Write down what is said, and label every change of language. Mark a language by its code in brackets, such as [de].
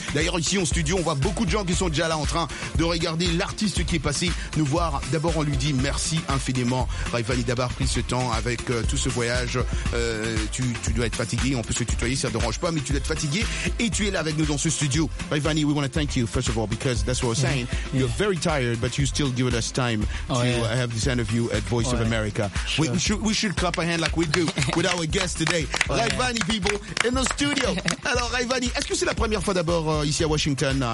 [fr] D'ailleurs, ici en studio, on voit beaucoup de gens qui sont déjà là en train de regarder l'artiste qui est passé nous voir. D'abord, on lui dit merci infiniment, Rayvanny, d'avoir pris ce temps avec tout ce voyage. Tu dois être fatigué, on peut se tutoyer, ça ne dérange pas, mais tu dois être fatigué et tu es là avec nous dans ce studio. [en] Rayvanny, we want to thank you, first of all, because that's what I was saying. You're very tired, but you still give us time to have this interview at Voice of America. We should clap a hand like we do with our guest today. Rayvanny, people, in the studio. [fr] Alors, Rayvanny, est-ce que c'est la première fois d'abord ici à Washington?